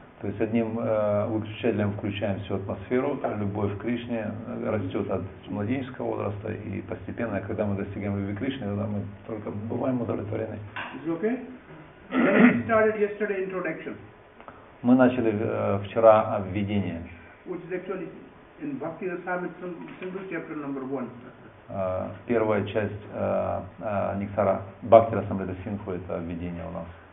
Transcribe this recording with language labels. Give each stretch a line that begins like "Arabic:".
Russian: То есть одним выключателем включаем всю атмосферу, любовь к Кришне растет от младенческого возраста и постепенно, когда мы достигаем любви к Кришне, тогда мы только бываем удовлетворены.
English: Okay?
Russian: Мы начали вчера введение.
English: Which is actually in Bhakti Rasamrita Sindhu chapter number one.
Russian: первая часть нектара Бхакти Расамрита Синху — это введение у нас.